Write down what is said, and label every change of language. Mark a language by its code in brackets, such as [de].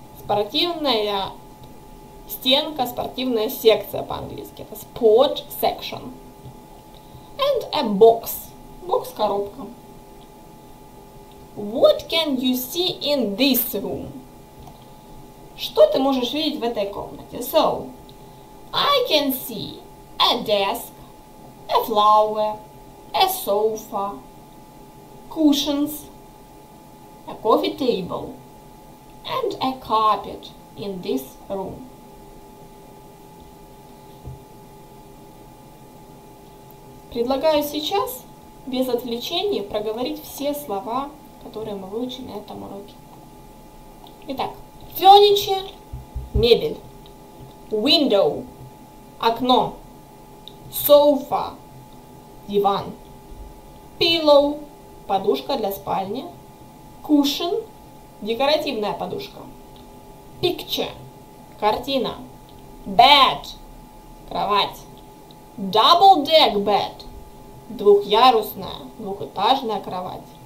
[ru] Спортивная стенка, спортивная секция по-английски. [en] Это sport section. And a box. Бокс-коробка. What can you see in this room? [ru] Что ты можешь видеть в этой комнате? [en] So, I can see a desk, a flower, a sofa, cushions, a coffee table, and a carpet in this room. [ru] Предлагаю сейчас без отвлечений проговорить все слова, которые мы выучили на этом уроке. Итак, furniture – мебель, window – окно, sofa – диван, pillow – подушка для спальни, cushion – декоративная подушка, picture – картина, bed – кровать, double deck bed – двухъярусная, двухэтажная кровать.